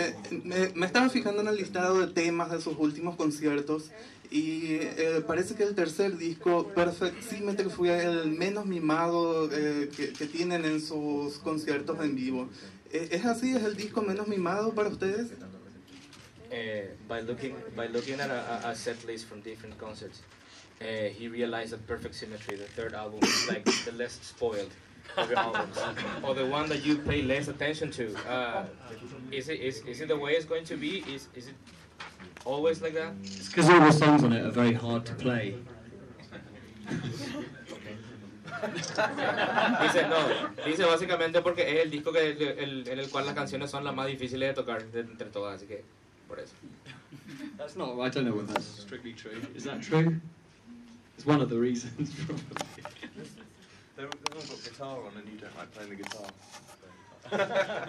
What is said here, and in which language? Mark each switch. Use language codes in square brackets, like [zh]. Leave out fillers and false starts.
[es] Me estaba fijando en el listado de temas de sus últimos conciertos. Y parece que el tercer disco, perfectamente, fue el menos mimado que tienen en sus conciertos en vivo. ¿Es así? ¿Es el disco menos mimado para ustedes? [en] By looking at a set list from different concerts, he realized that Perfect Symmetry, the third album, is like the less spoiled of your albums. Or the one that you pay less attention to. Is it the way it's going to be? Is it always like that? It's because all the songs on it are very hard to play. [es] Dice, no. Dice, básicamente porque es el disco que en el cual las canciones son las más difíciles de tocar de entre todas, así que por eso. [en] That's not, I don't know if that's strictly true. Is that true? It's one of the reasons, probably. They've all got guitar on and you don't like playing the guitar.